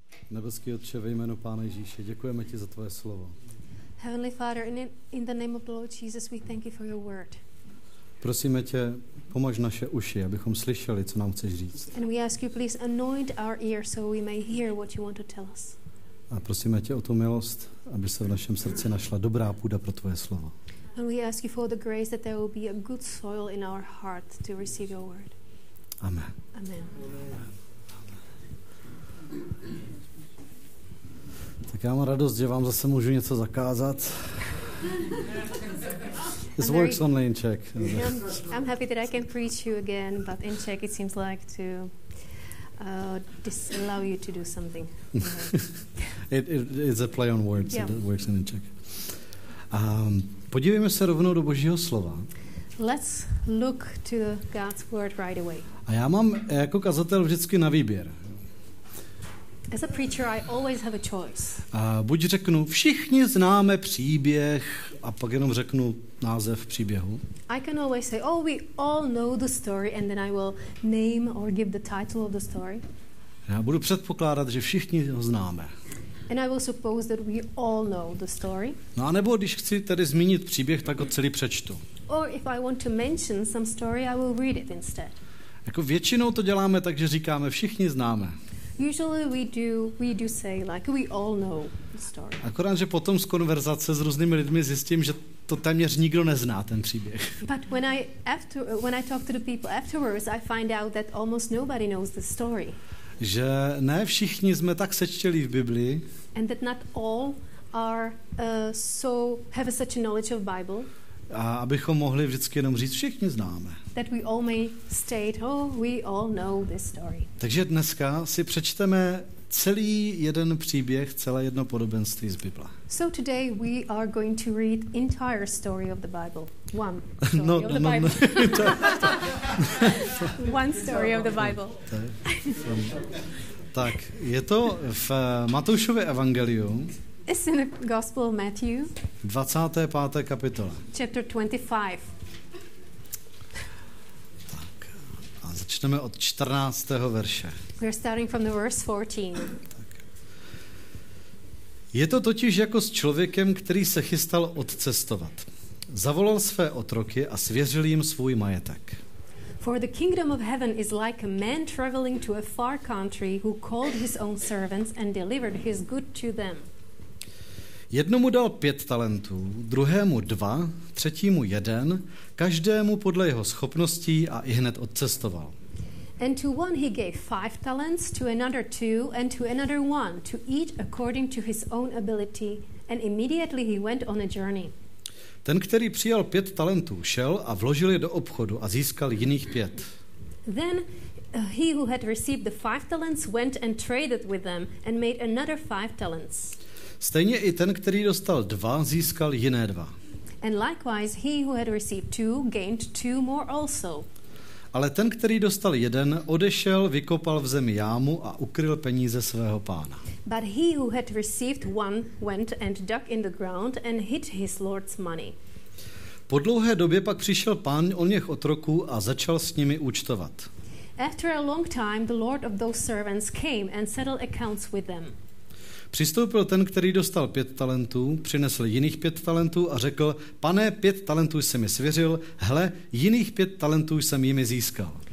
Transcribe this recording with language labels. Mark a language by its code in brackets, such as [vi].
[cs] Nebeský Otče, ve jménu Pána Ježíše, děkujeme ti za tvoje slovo. [en] Heavenly Father, in the name of the Lord Jesus, we thank you for your word. [cs] Prosíme tě, pomož naše uši, abychom slyšeli, co nám chceš říct. [en] And we ask you please anoint our ears so we may hear what you want to tell us. [cs] A prosíme tě o tu milost, aby se v našem srdci našla dobrá půda pro tvoje slovo. [en] And we ask you for the grace that there will be a good soil in our heart to receive your word. [cs] Amen. [en] Amen. [cs] Tak já mám radost, že vám zase můžu něco zakázat. [en] This works only in Czech. I'm happy that I can preach you again, but in Czech it seems like to disallow you to do something. it's a play on words. Yeah. It works in Czech. [cs] Podívejme se rovnou do Božího slova. [en] Let's look to God's word right away. [cs] A já mám jako kazatel vždycky na výběr. [en] As a preacher, I always have a choice. [cs] Buď řeknu, všichni známe příběh, a pak jenom řeknu název příběhu. [en] I can always say, oh, we all know the story, and then I will name or give the title of the story. [cs] Já budu předpokládat, že všichni ho známe. [en] And I will suppose that we all know the story. [cs] No a nebo když chci tady zmínit příběh, tak ho celý přečtu. [en] Or if I want to mention some story, I will read it instead. [cs] Jako většinou to děláme tak, že říkáme, všichni známe. [en] Usually we do say like we all know the story. [cs] Akorát, že potom z konverzace s různými lidmi zjistím, že to téměř nikdo nezná ten příběh. [en] But when I talk to the people afterwards, I find out that almost nobody knows the story. [cs] Že ne všichni jsme tak sečtělí v Biblii. [en] And that not all are so have such a knowledge of Bible. [cs] A abychom mohli vždycky jenom říct, všichni známe. [en] That we all may state, oh, we all know this story. [cs] Takže dneska si přečteme celý jeden příběh, celé jedno podobenství z Bible. [en] So today we are going to read entire story of the Bible. One story no, of the no, Bible. No, one story of the Bible. [cs] Tak, je to v Matoušově evangeliu. [en] It's in the Gospel of Matthew. [cs] 25. kapitola. [en] Chapter 25. [cs] Tak, a začneme od 14. verše. [en] We're starting from the verse 14. [cs] Tak. Je to totiž jako s člověkem, který se chystal odcestovat. Zavolal své otroky a svěřil jim svůj majetek. [en] For the kingdom of heaven is like a man traveling to a far country who called his own servants and delivered his good to them. [cs] Jednomu dal 5 talentů, druhému 2, třetímu 1, každému podle jeho schopností a ihned odcestoval. [en] And to one he gave 5 talents, to another 2, and to another 1, to each according to his own ability, and immediately he went on a journey. [cs] Ten, který přijal 5 talentů, šel a vložil je do obchodu a získal jiných 5. [en] Then he who had received the 5 talents went and traded with them and made another 5 talents. [cs] Stejně i ten, který dostal 2, získal jiné 2. [en] And likewise, he who had received 2 gained 2 more also. [cs] Ale ten, který dostal 1, odešel, vykopal v zemi jámu a ukryl peníze svého pána. [en] But he who had received 1 went and dug in the ground and hid his lord's money. [cs] Po dlouhé době pak přišel pán o něch otroků a začal s nimi účtovat. [en] After a long time, the lord of those servants came and settled accounts with them. [cs] Přistoupil ten, který dostal 5 talentů, přinesl jiných 5 talentů a řekl, pane, 5 talentů jsem mi svěřil, hle, jiných 5 talentů jsem jimi získal.